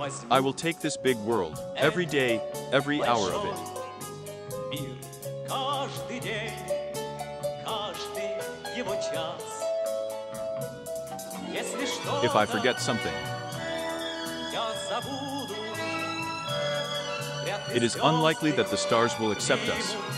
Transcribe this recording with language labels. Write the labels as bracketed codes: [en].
[en] I will take this big world, every day, every hour of it. [ru] Каждый день, каждый его час. Если что, [en] if I forget something, [ru] я забуду. [en] It is unlikely that the stars will accept us.